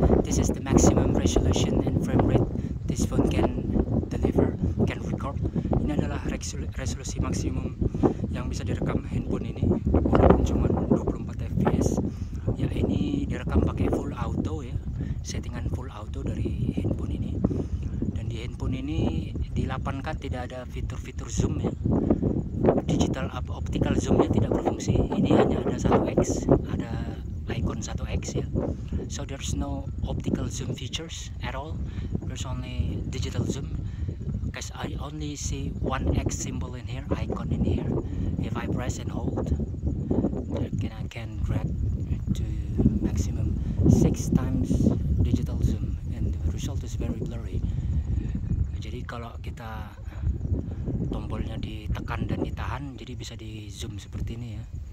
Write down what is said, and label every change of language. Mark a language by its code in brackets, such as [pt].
[en] This is the maximum resolution and frame rate this phone can deliver, can record. [id] Ini adalah resolusi maksimum yang bisa direkam handphone ini. Cuma 24 fps. Ya, ini direkam pakai full auto ya. Settingan full auto dari handphone ini. Dan di handphone ini di 8K tidak ada fitur-fitur zoom ya. Digital optical zoomnya tidak berfungsi. Ini hanya ada 1x, ada icon 1x ya. [en] So there's no optical zoom features at all. There's only digital zoom. Because I only see 1x symbol in here, icon in here. If I press and hold, then I can drag to maximum 6 times digital zoom and the result is very blurry. [id] Jadi kalau kita tombolnya ditekan dan ditahan, jadi bisa di zoom seperti ini ya.